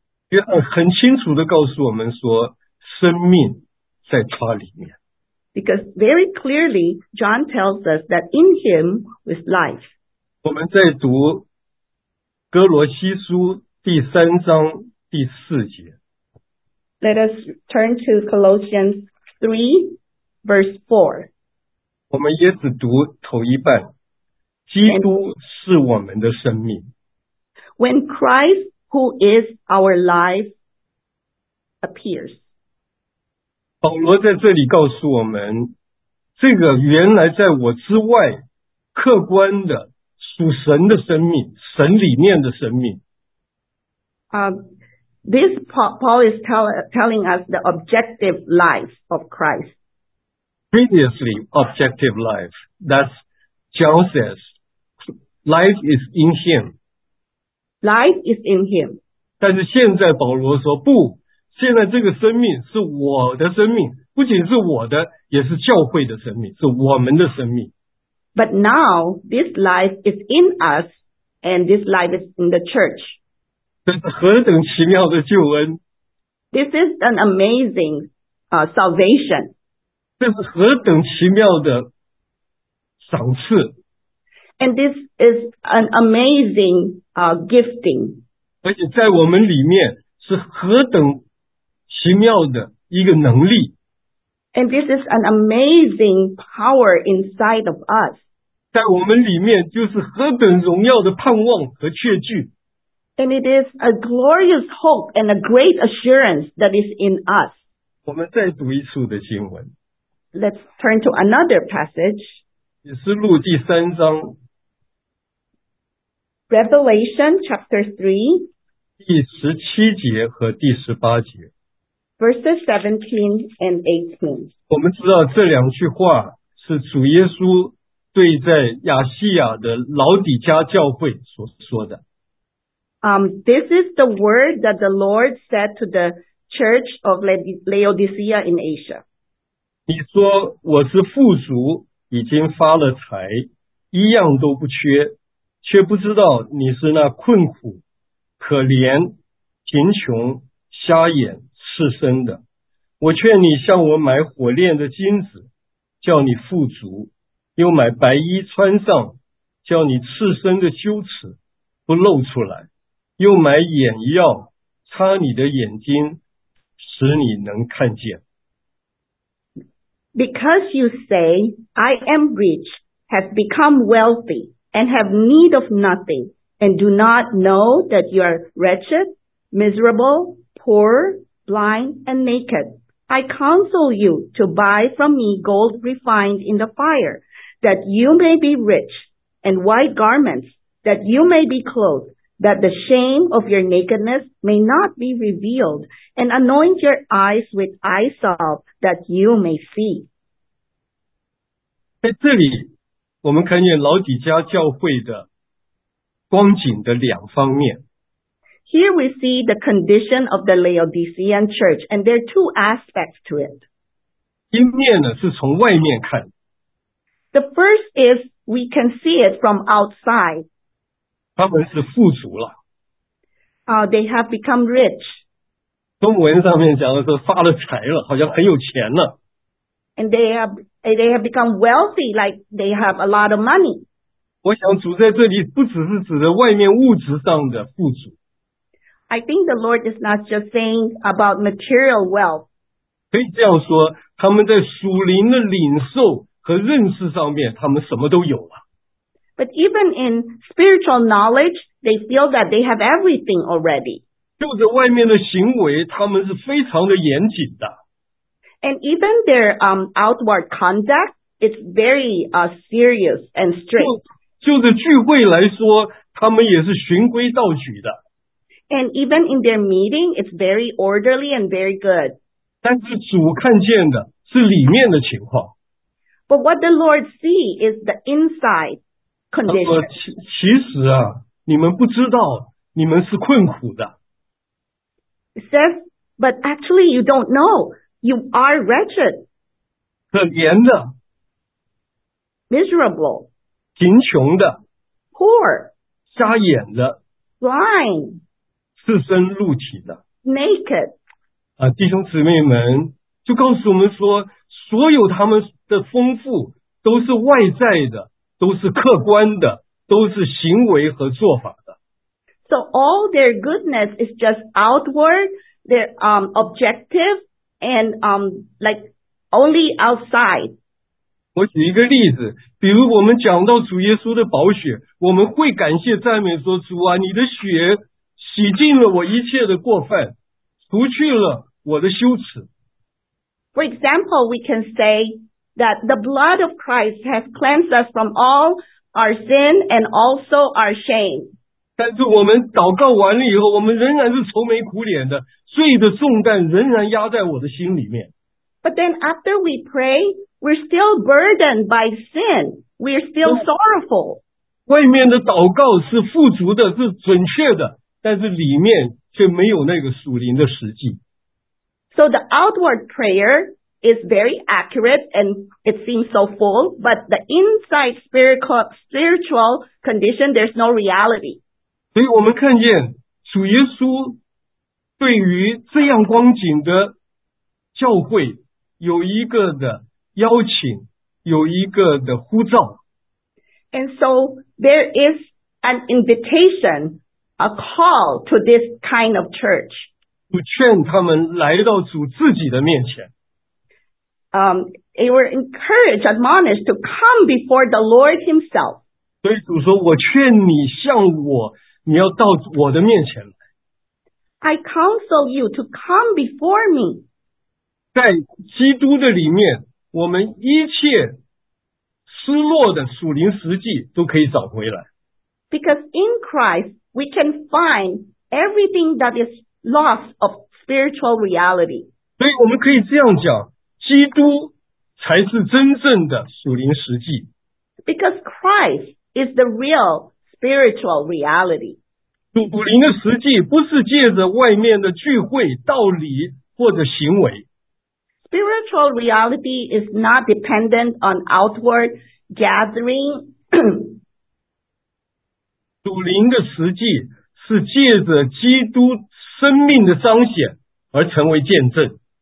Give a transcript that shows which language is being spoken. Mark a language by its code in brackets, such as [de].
[zh] 约翰很清楚地告诉我们说，生命在他里面。 [en] Because very clearly, John tells us that in him was life. [zh] 我们在读哥罗西书第三章第四节。 [en] Let us turn to Colossians 3, verse 4. [zh] 我们也只读头一半。基督是我们的生命。 [en] When Christ, who is our life, appears. [zh] 保罗在这里告诉我们，这个原来在我之外客观的属神的生命，神里面的生命。 [en] This Paul is telling us the objective life of Christ. Previously, objective life. That's John says, life is in him. Life is in him. [zh] 但是现在保罗说，不，现在这个生命是我的生命，不仅是我的，也是教会的生命，是我们的生命。 [en] But now, this life is in us, and this life is in the church. [zh] 这是何等奇妙的救恩。 [en] This is an amazing, salvation. [zh] 这是何等奇妙的赏赐。 [en] And this is an amazing, gifting. [zh] 而且在我们里面是何等奇妙的一个能力。 [en] And this is an amazing power inside of us. [zh] 在我们里面就是何等荣耀的盼望和确据。 [en] And it is a glorious hope and a great assurance that is in us. [zh] 我们再读一处的经文。 [en] Let's turn to another passage. [zh] 启示录第三章。 [en] Revelation chapter 3. [zh] 第十七节和第十八节。 [en] Verses 17 and 18. [zh] 我们知道这两句话是主耶稣对在亚细亚的老底家教会所说的。 [en] This is the word that the Lord said to the church of Laodicea in Asia. [zh] 你说我是富足，已经发了财，一样都不缺，却不知道你是那困苦、可怜、贫穷、瞎眼、赤身的。我劝你向我买火炼的金子，叫你富足；又买白衣穿上，叫你赤身的羞耻不露出来。又买眼药擦你的眼睛，使你能看见。 [en] Because you say, I am rich, have become wealthy, and have need of nothing, and do not know that you are wretched, miserable, poor, blind, and naked. I counsel you to buy from me gold refined in the fire, that you may be rich, and white garments, that you may be clothed,that the shame of your nakedness may not be revealed, and anoint your eyes with eye salve, that you may see. [zh] 在这里，我们看见老底家教会的光景的两方面。 [en] Here we see the condition of the Laodicean church, and there are two aspects to it. [zh] 一面呢，是从外面看。 [en] The first is we can see it from outside. [zh] 他们是富足了。 [en] They have become rich. [zh] 中文上面讲的是发了财了，好像很有钱了。 [en] And they have become wealthy, like they have a lot of money. [zh] 我想主在这里不只是指的外面物质上的富足。 [en] I think the Lord is not just saying about material wealth. [zh] 可以这样说，他们在属灵的领受和认识上面，他们什么都有了。 [en] But even in spiritual knowledge, they feel that they have everything already. [zh] 就是外面的行为，他们是非常的严谨的。 [en] And even their outward conduct, it's very serious and strict. [zh] 就是聚会来说，他们也是循规蹈矩的。 [en] And even in their meeting, it's very orderly and very good. [zh] 但是主看见的是里面的情况。 [en] But what the Lord sees is the inside. [zh] 其实啊，你们不知道你们是困苦的。 [en] It says, but actually you don't know. You are wretched. [zh] 可怜的。 [en] Miserable. [zh] 贫穷的。 [en] Poor. [zh] 瞎眼的。 [en] Blind. [zh] 赤身露体的。 [en] Naked. [zh] 弟兄姊妹们就告诉我们说，所有他们的丰富都是外在的。都是客观的，都是行为和做法的。 [en] So all their goodness is just outward, their objective, and like only outside. [zh] 我举一个例子，比如我们讲到主耶稣的宝血，我们会感谢赞美说，主啊，你的血洗净了我一切的过犯，除去了我的羞耻。 [en] For example, we can say that the blood of Christ has cleansed us from all our sin and also our shame. [zh] 但是我们祷告完了以后，我们仍然是愁眉苦脸的，罪的重担仍然压在我的心里面。 [en] But then after we pray, we're still burdened by sin. We're still sorrowful. [zh] 外面的祷告是富足的，是准确的，但是里面却没有那个属灵的实际。 [en] So the outward prayer is very accurate and it seems so full, but the inside spiritual condition, there's no reality. [zh] 所以我们看见主耶稣对于这样光景的教会有一个的邀请，有一个的呼召。 [en] And so there is an invitation, a call to this kind of church. [zh] 主劝他们来到主自己的面前。 [en] They were encouraged, admonished to come before the Lord Himself. [zh] 所以主说，我劝你向我，你要到我的面前来。 [en] I counsel you to come before me. [zh] 在基督的里面，我们一切失落的属灵实际都可以找回来。 [en] Because in Christ, we can find everything that is. Loss of spiritual reality. [zh] 所以我们可以这样讲，基督才是真正的属灵实际。 [en] Because Christ is the real spiritual reality. [zh] 属灵的实际不是借着外面的聚会、道理或者行为。 [en] Spiritual reality is not dependent on outward gathering. [zh] 属灵的实际是借着基督生命的彰显而成为见证。